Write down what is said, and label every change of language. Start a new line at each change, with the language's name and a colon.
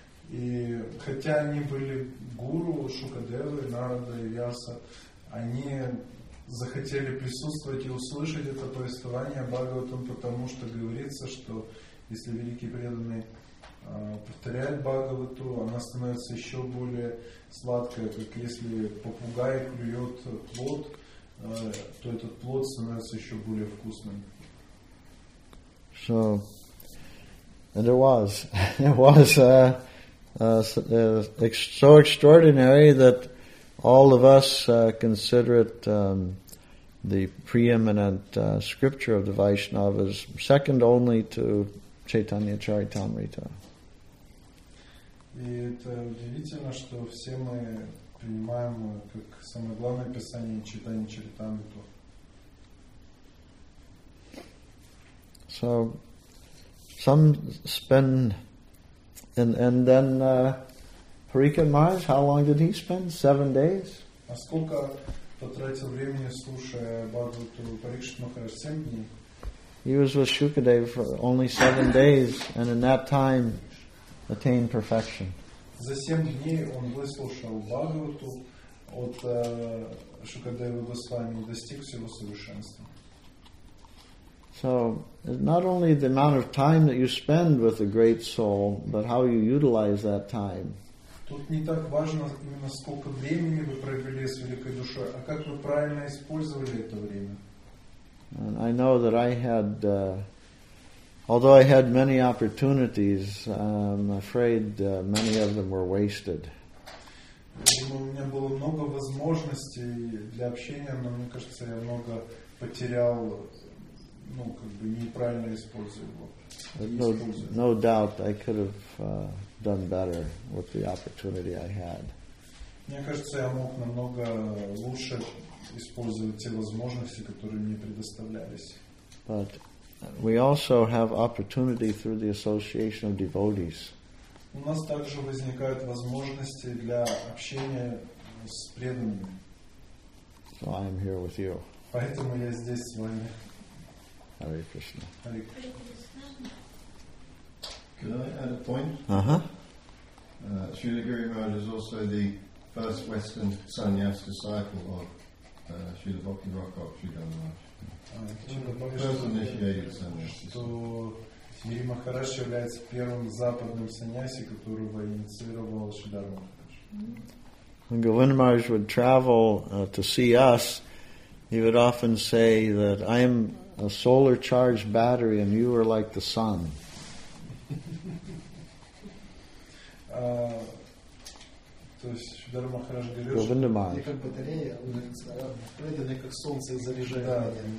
Russian: И хотя они были гуру, шукадевы, Нарада и Вьяса, они захотели присутствовать и услышать это повествование Бхагаватам, потому что говорится, что если великий преданный повторяет Бхагавату, она становится еще более сладкой, как если попугай клюет плод, то этот плод становится еще более вкусным.
English: So, and it was so extraordinary that all of us consider it the preeminent scripture of the Vaishnavas, second only to Chaitanya Charitamrita.
Russian: И это удивительно, что все мы принимаем как самое главное писание Чайтанья Чаритамриту.
English: So, some spend, and then Parikshit Maharaj, how long did he spend? 7 days?
Russian: А сколько потратил времени, слушая Бхагавату Парикшит Махарадж? 7 дней?
English: He was with Shukadeva for only 7 days, and in that time attained perfection.
Russian: За 7 дней он выслушал Бхагавату от Шукадевы Госвами и достиг всего совершенства.
English: So, not only the amount of time that you spend with a great soul, but how you utilize that time.
Russian: Тут не так важно именно сколько времени вы провели с великой душой, а как вы правильно использовали это время.
English: And I know that I had, although I had many opportunities, I'm afraid many of them were wasted.
Russian: У меня было много возможностей для общения, но мне кажется, я много потерял, ну, как бы неправильно использовал.
English: No doubt I could have done better with the opportunity I had.
Russian: Мне кажется, я мог намного лучше использовать те возможности, которые мне предоставлялись.
English: But we also have opportunity through the association of devotees.
Russian: У нас также возникают возможности для общения с преданными.
English: So I am here with you.
Russian: Поэтому я здесь с вами.
Sanskrit: Hare Krishna. Hare Krishna.
English: Could I add a point? Srila Guru Maharaj is also the first Western sannyas disciple of Srila Bhakti Rakhav Sridhar Maharaj.
Russian: Что Сири Махарадж является первым западным саньяси, которого инициировал Шридхар Махарадж.
English: Govinda Maharaj would travel to see us, he would often say that I am a solar charged battery and you are like the sun.
Russian: То есть Шридхар Махарадж говорит, что не как батарея, он преданный, как солнце и заряжает.